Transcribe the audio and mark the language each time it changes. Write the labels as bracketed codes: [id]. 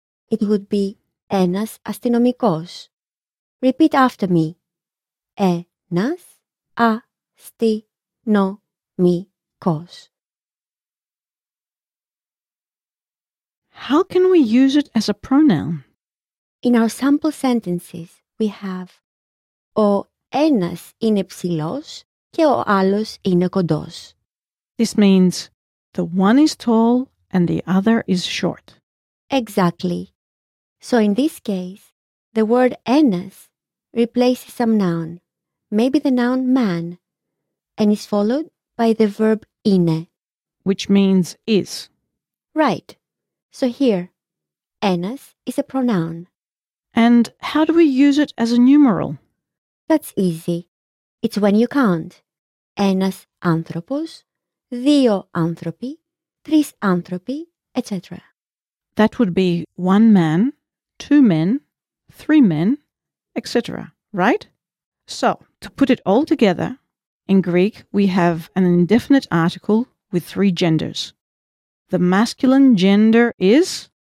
[en] It would be [el] ένας αστυνομικός. [en] Repeat after me. [el] Ένας αστυνομικός. [en] How can we use it as a pronoun? In our sample sentences, we have [el] ο ένας είναι ψηλός και ο άλλος είναι κοντός. [en] This means the one is tall and the other is short. Exactly. So in this case, the word ένας replaces some noun, maybe the noun man, and is followed by the verb είναι, which means is. Right. So here, ένας is a pronoun. And how do we use it as a numeral? That's easy. It's when you count. [el] Ένας άνθρωπος, δύο άνθρωποι, τρεις άνθρωποι, etc. [en] That would be one man, two men, three men, etc., right? So, to put it all together, in Greek we have an indefinite article with three genders. The masculine gender is?